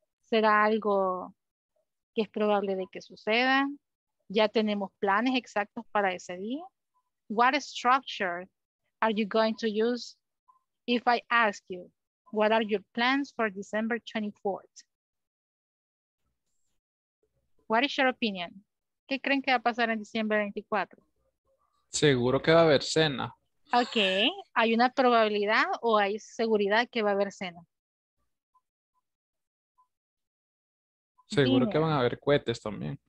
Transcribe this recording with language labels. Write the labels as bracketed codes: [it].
[es] ¿Será algo que es probable de que suceda? ¿Ya tenemos planes exactos para ese día? [en] What structure are you going to use if I ask you, what are your plans for December 24th? What is your opinion? [es] ¿Qué creen que va a pasar en diciembre 24? Seguro que va a haber cena. Ok, ¿hay una probabilidad o hay seguridad que va a haber cena? Seguro dinner. Que van a haber cohetes también.